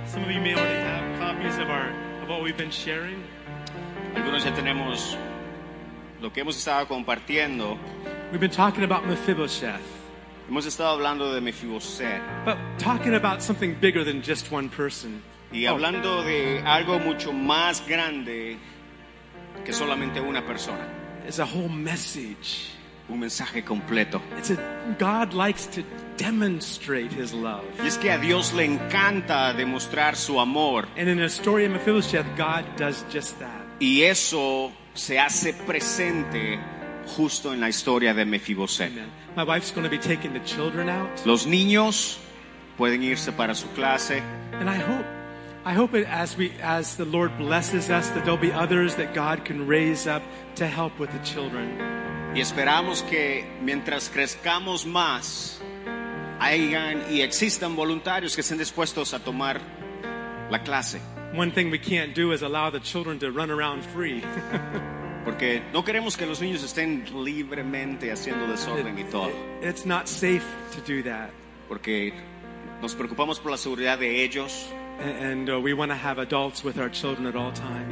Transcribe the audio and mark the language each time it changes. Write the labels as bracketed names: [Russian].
[English] Some of you may already have copies of our of what we've been sharing. [Spanish] Algunos ya tenemos lo que hemos estado compartiendo. [English] We've been talking about Mephibosheth. [Spanish] Hemos estado hablando de Mephibosheth. [English] But talking about something bigger than just one person. [Spanish] Y hablando de algo mucho más grande que solamente una persona. [English] It's a whole message. [Spanish] Un mensaje completo. [English] It's a God likes to demonstrate his love. [Spanish] Y es que a Dios le encanta demonstrar su amor. [English] And in the story of Mephibosheth, God does just that. [Spanish] Y eso se hace presente justo en la historia de Mephibosheth. [English] Amen. My wife's going to be taking the children out. [Spanish] Los niños pueden irse para su clase. [English] And I hope it, as the Lord blesses us, that there'll be others that God can raise up to help with the children. [Spanish] Y esperamos que mientras crezcamos más, hayan y existan voluntarios que estén dispuestos a tomar la clase. [English] One thing we can't do is allow the children to run around free. [Spanish] Porque no queremos que los niños estén libremente haciendo desorden y todo. [English] It's not safe to do that. [Spanish] Porque nos preocupamos por la seguridad de ellos. [English] And we want to have adults with our children at all times.